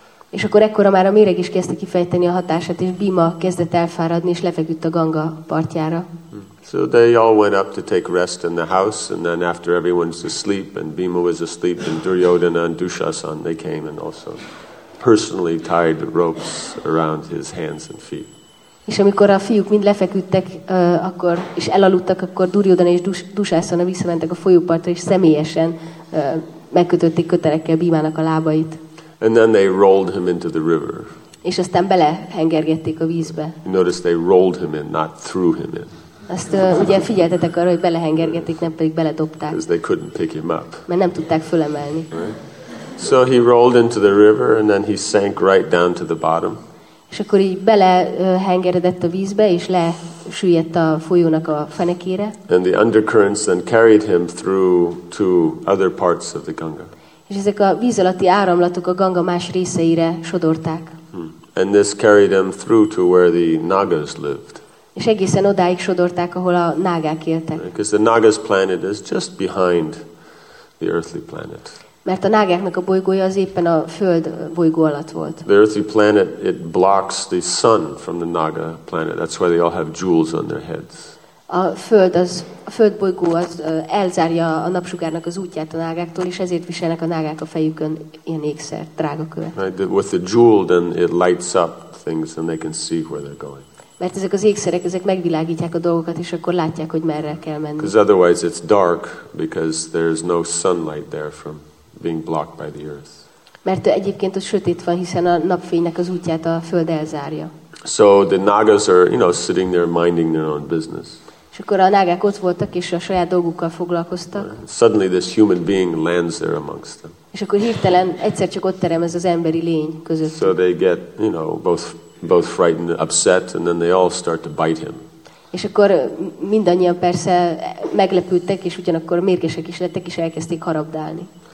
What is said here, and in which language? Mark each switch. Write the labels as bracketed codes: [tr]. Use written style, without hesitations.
[hu] És akkor ekkora már a méreg is kezdte kifejteni a hatását, és Bhima kezdett elfáradni, és lefeküdt a Ganga partjára. [en] So they all went up to take rest in the house, and then after everyone's asleep, and Bhima was asleep, and Duryodhana and Dushasan, they came and also personally tied the ropes around his hands and feet. [hu] És amikor a fiúk mind lefeküdtek, akkor és elaludtak, akkor Duryodhana és Dushasana visszamentek a folyópartra, és személyesen megkötötték kötelekkel Bhimának a lábait. [en] And then they rolled him into the river. [hu] És aztán belehengergették a vízbe. [en] Notice they rolled him in, not threw him in. [hu] Azt ugye figyeltetek arra, hogy belehengergetik, nem pedig beledobták. [en] Because they couldn't pick him up. [hu] Mert nem tudták fölemelni. [en] So he rolled into the river and then he sank right down to the bottom. [hu] És akkor így belehengeredett a vízbe és lesüllyedt a folyónak a fenekére. [en] And the undercurrents then carried him through to other parts of the Ganga. [hu] És ezek a víz alatti áramlatok a Ganga más részeire sodorták. [en] And this carried him through to where the Nagas lived. [hu] És egészen odáig sodorták, ahol a nágák éltek. [en] Because the Nagas planet is just behind the earthly planet. [hu] Mert a nágáknak a bolygója az éppen a föld bolygó alatt volt. [en] The earthly planet, it blocks the sun from the Naga planet. That's why they all have jewels on their heads. [hu] A föld bolygó az elzárja a napsugárnak az útját a nágáktól, és ezért viselnek a nágák a fejükön ilyen ékszert, drágakövet. [en] Right, with the jewel, then it lights up things and they can see where they're going. [hu] Mert ezek az ékszerek, ezek megvilágítják a dolgokat, és akkor látják, hogy merre kell menni. [en] Because otherwise it's dark, because there's no sunlight there from being blocked by the earth. [hu] Mert egyébként ott sötét van, hiszen a napfénynek az útját a föld elzárja. [en] So the Nagas are, you know, sitting there minding their own business. [hu] És akkor a nágák ott voltak, és a saját dolgukkal foglalkoztak. [en] Suddenly this human being lands there amongst them. [hu] És akkor hirtelen egyszer csak ott terem ez az emberi lény között. [en] So they get, you know, both frightened, upset, and then they all start to bite him. [hu] És akkor mindannyian persze meglepődtek, és ugyanakkor mérgesek is lettek, és elkezdték harapdálni.